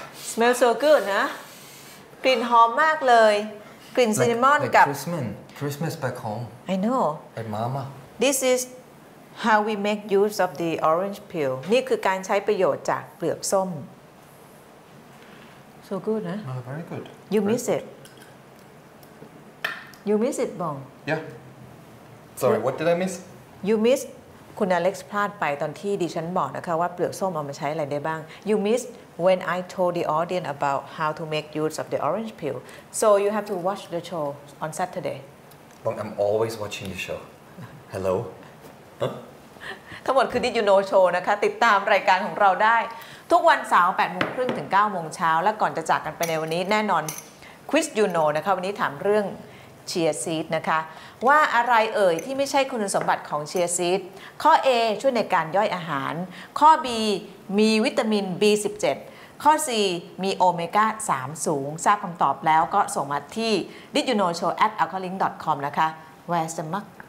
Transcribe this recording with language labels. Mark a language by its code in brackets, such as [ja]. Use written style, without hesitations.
[en] smell so good [th] นะกลิ่นหอมมากเลยกลิ่นซินนามอนกับ [en] Christmas back home I know and mama This is how we make use of the orange peel [th] นี่คือการใช้ประโยชน์จากเปลือกส้ม [en] so good [th] นะ [en] very good you miss itYou miss it, Bong? Yeah. Sorry, what did I miss? You miss [th] คุณอเล็กซ์พลาดไปตอนที่ดิฉันบอกนะคะว่าเปลือกส้มเอามาใช้อะไรได้บ้าง [en] You miss when I told the audience about how to make use of the orange peel. So you have to watch the show on Saturday. Bong, I'm always watching the show. Hello? [th] ทั้งหมดคือ Did You Know Show นะคะติดตามรายการของเราได้ทุกวันเสาร์ 8:30 ถึง 9:00 นและก่อนจะจากกันไปในวันนี้แน่นอน Quiz You Know นะคะวันนี้ถามเรื่องเชียร์ซีดนะคะว่าอะไรเอ่ยที่ไม่ใช่คุณสมบัติของเชียร์ซีดข้อ A ช่วยในการย่อยอาหารข้อ B มีวิตามิน B17 ข้อ C มีโอเมก้า3สูงทราบคำตอบแล้วก็ส่งมาที่ didyouknowshow@alkalink.com นะคะแวร์สมัก